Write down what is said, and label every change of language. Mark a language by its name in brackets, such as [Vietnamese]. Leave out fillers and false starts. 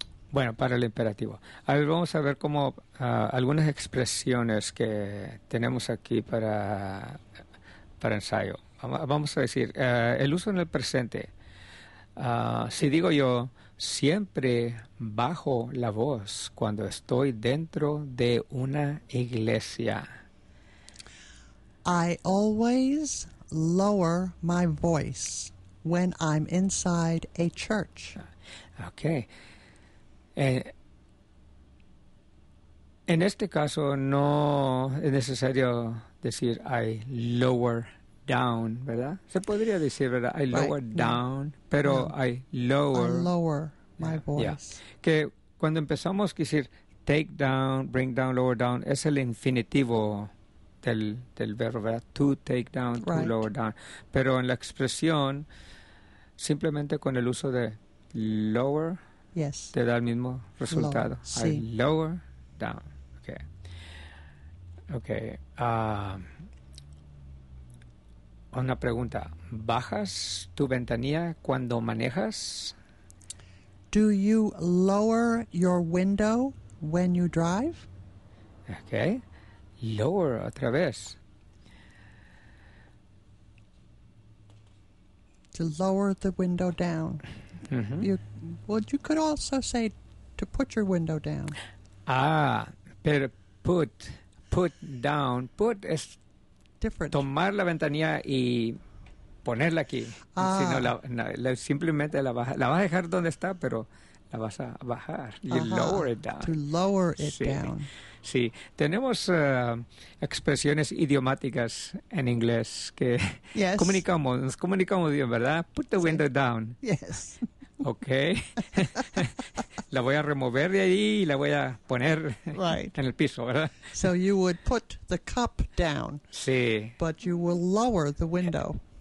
[Spanish] Bueno, para el imperativo. A ver, vamos a ver cómo algunas expresiones que tenemos aquí para ensayo. Vamos a decir, el uso en el presente. Si digo yo, siempre bajo la voz cuando estoy dentro de una iglesia. [English] I always lower my voice when I'm inside a church. Okay. [Spanish] En este caso no es necesario decir I lower down, ¿verdad? Se podría decir, ¿verdad? I lower down, pero no. [English] I lower my voice. Yeah. [Spanish] Que cuando empezamos quisiera take down, bring down, lower down, es el infinitivo del verbo, ¿verdad? [English] To take down, to lower down. [Spanish] Pero en la expresión, simplemente con el uso de lower, [English] yes, [Spanish] te da el mismo resultado. [English] Lower. Sí. I lower down. Okay. [Spanish] Una pregunta. ¿Bajas tu ventanilla cuando manejas? [English] Do you lower your window when you drive? [Spanish] Okay. Lower otra vez. [English] To lower the window down. Mm-hmm. You could also say to put your window down. Ah, pero put down. Put es different. [Spanish] Tomar la ventanilla y ponerla aquí. Ah. Simplemente la vas a dejar donde está, pero la vas a bajar. You lower it down. [English] To lower it down. [Spanish] Sí. Tenemos expresiones idiomáticas en inglés que comunicamos. Nos comunicamos bien, ¿verdad? [English] Put the window down. Yes. Okay. [Spanish] La voy a remover de allí y la voy a poner en el piso, ¿verdad? [English] So you would put the cup down. [Spanish] Sí. [English] But you will lower the window.